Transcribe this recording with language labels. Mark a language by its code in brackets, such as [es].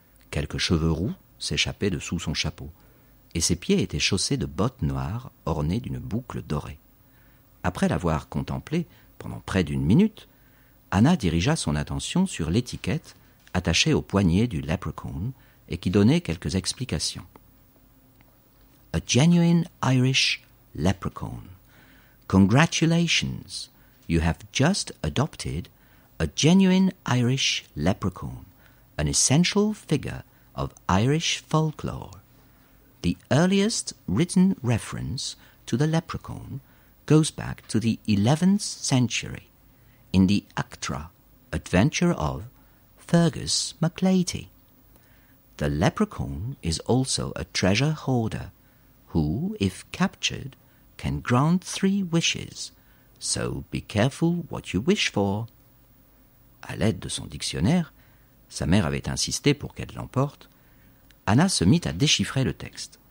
[fr] Quelques cheveux roux s'échappaient de sous son chapeau, et ses pieds étaient chaussés de bottes noires ornées d'une boucle dorée. Après l'avoir contemplé pendant près d'une minute, Anna dirigea son attention sur l'étiquette attachée au poignet du leprechaun et qui donnait quelques explications. [en] « A genuine Irish leprechaun. Congratulations, you have just adopted a genuine Irish leprechaun. An essential figure of Irish folklore. The earliest written reference to the leprechaun goes back to the 11th century in the Uchtra adventure of Fergus MacLeity. The leprechaun is also a treasure hoarder who, if captured, can grant three wishes, so be careful what you wish for. » [fr] À l'aide de son dictionnaire, sa mère avait insisté pour qu'elle l'emporte, Anna se mit à déchiffrer le texte.